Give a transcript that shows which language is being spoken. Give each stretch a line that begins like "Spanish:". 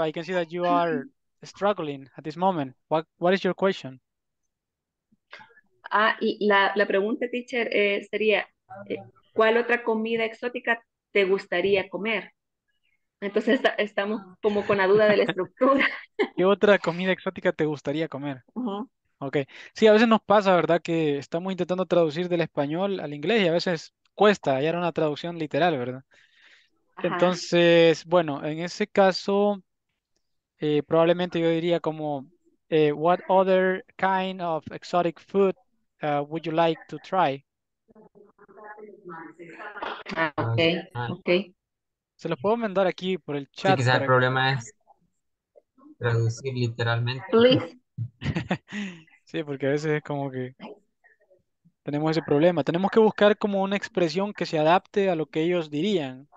English: I can see that you are struggling at this moment. What is your question?
Spanish: Y la pregunta, teacher, sería, ¿cuál otra comida exótica te gustaría comer? Entonces estamos como con la duda de la estructura. ¿Qué otra comida exótica te gustaría comer? Uh-huh. Okay. Sí, a veces nos pasa, ¿verdad? Que estamos intentando traducir del español al inglés y a veces cuesta hallar una traducción literal, ¿verdad? Ajá. Entonces, bueno, en ese caso... probablemente yo diría como,
English: what other kind of exotic food would you like to try? Okay.
Spanish: Se los puedo mandar aquí por el chat. Sí, quizás el problema es traducir literalmente.
English: Please.
Spanish: Sí, porque a veces es como que tenemos ese problema. Tenemos que buscar como una expresión que se adapte a lo que ellos dirían.